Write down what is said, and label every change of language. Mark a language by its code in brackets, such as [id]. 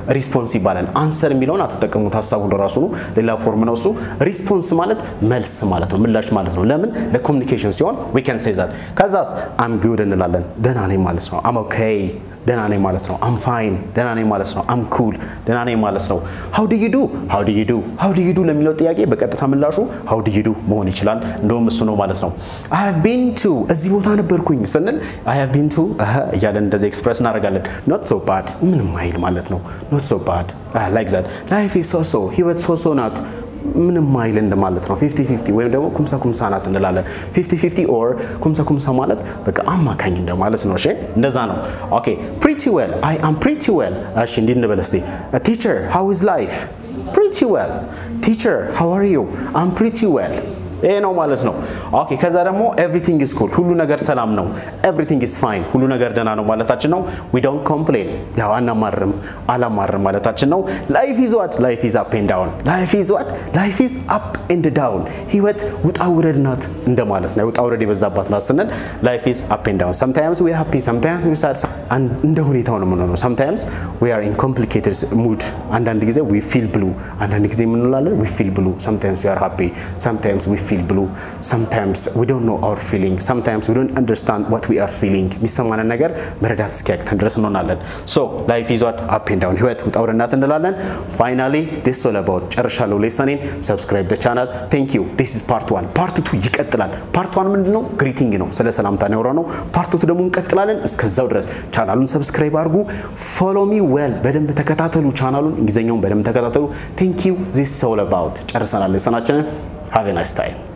[am] ሪስፖንስ ይባላል። አንሰር የሚለውን አትጠቀሙት ሐሳቡ ለራሱ ነው። ሌላ ፎርም ነው እሱ። ሪስፖንስ ማለት መልስ ማለት ነው። ምላሽ ማለት ነው። ለምን ለኮሙኒኬሽን ሲሆን [en] we can say that cuz I'm good [am] እንላለን። ደና ነኝ ማለት ነው። I'm okay ደና ነኝ ማለት ነው። I'm fine ደና ነኝ ማለት ነው። I'm cool ደና ነኝ ማለት ነው። [en] How do you do? How do you do? How do you do [am] ለሚለው ጥያቄ በቀጥታ ምላሹ how do you do መሆን ይችላል። እንደውም እሱ ነው ማለት ነው። I have been to እዚህ ቦታ ነበርኩኝ ስንል I have been to እያለን እንደዚህ ኤክስፕረስ እናደርጋለን። Not so bad ምንም አይል ማለት ነው። [en] Not so bad like that. Life is so-so. [am] ህይወት so-so ናት ምንም አይል እንደማለት ነው። 50-50 ወይም ደግሞ ኩምሳ ኩምሳ ናት እንላለን። 50-50 or ኩምሳ ኩምሳ ማለት በቃ አማካኝ እንደማለት ነው። እሺ እንደዛ ነው። ኦኬ pretty well [en] I am pretty well [am] እሺ እንዴት ነው በለስቲ? [en] teacher how is life? pretty well teacher how are you? I'm pretty well ኤኖ ማለት ነው። ኦኬ ከዛ ደግሞ everything is cool [am] ሁሉ ነገር ሰላም ነው። [en] everything is fine [am] ሁሉ ነገር ደና ነው ማለታችን ነው። [en] we don't complain [am] ያው አናማርም አላማርም ማለታችን ነው። [en] life is what? life is up and down. life is what? life is up and down. [am] ህይወት ውጣውረድ ናት እንደማለት ነው። ውጣውረድ የበዛባት ናት ስንል [en] life is up and down. sometimes we are happy sometimes we sad [am] እንደ ሁኔታው ነው የምንሆነው። [en] sometimes we are in complicated mood አንዳንድ ጊዜ we feel blue አንዳንድ ጊዜ የምንላለን we feel blue. sometimes we are happy sometimes we feel blue. sometimes we don't know our feeling sometimes we don't understand what we are feeling [am] ሚሰማን ነገር መረዳት እስኪያቅተን ድረስ እንሆናለን። [en] so life is what up and down [am] ህይወት ውጣውረናት እንላለን። [en] finally this is all about ጨርሻለሁ lesson subscribe the channel thank you this is part 1 part 2 ይቀጥላል። part 1 ምንድነው? [am] greeting ነው ስለ ሰላምታ ነው ያወራነው። part 2 ደግሞ እንቀጥላለን። እስከዛው ድረስ ቻናሉን subscribe አድርጉ። [en] follow me well [am] በደንብ ተከታተሉ ቻናሉን እንግሊዘኛውን በደንብ ተከታተሉ። [en] thank you this is all about [am] ጨርሰናል lessonችንን። [en] Have a nice time.